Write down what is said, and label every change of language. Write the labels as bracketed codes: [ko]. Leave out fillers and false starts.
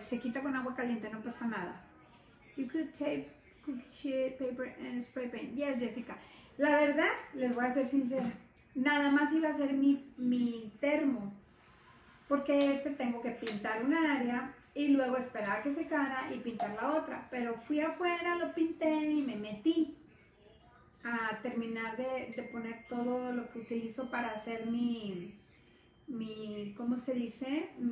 [es] Se quita con agua caliente, no pasa nada. [en] You could tape cookie sheet paper and spray paint. Yes, Jessica. [es] La verdad, les voy a ser sincera, nada más iba a ser mi termo, porque este tengo que pintar una área y luego esperar a que secara y pintar la otra. Pero fui afuera, lo pinté y me metí a terminar de poner todo lo que utilizo para hacer mi ¿cómo se dice?